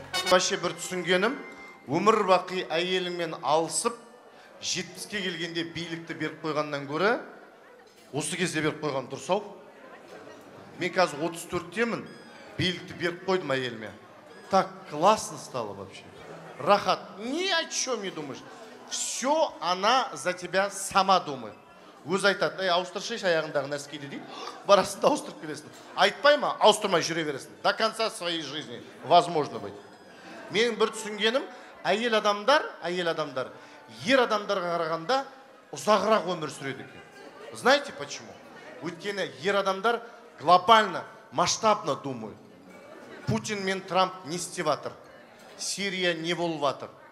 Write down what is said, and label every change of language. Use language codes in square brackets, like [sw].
[kk] Вообще бір түсінгенім, өмір бақи әйеліңмен алысып 70-ке келгенде билікті беріп қойғаннан гөрі осы кезде беріп қойған дұрыс ау. Мен қазір 34-темін, билікті беріп қойдым әйеліме. [ru] Так классно стало вообще. Рахат, ни о чем не думаешь. Все она за тебя сама думает. [kk] Өзі айтады, әй, ауыстыршайшы аяғындағы нәскиді дейді, барасында ауыстырып келесің. Айтпай ма, ауыстырмай жүре бересің. [ru] До конца своей жизни, возможно быть. [kk] Мен бір түсінгенім, әйел адамдар, ер адамдарға қарағанда ұзағырақ өмір сүреді екен. [ru] Знаете почему? [kk] Өйткені ер адамдар [ru] глобально, масштабно думают. [kk] Путин мен Трамп не істеватыр. Сирия не болыватыр.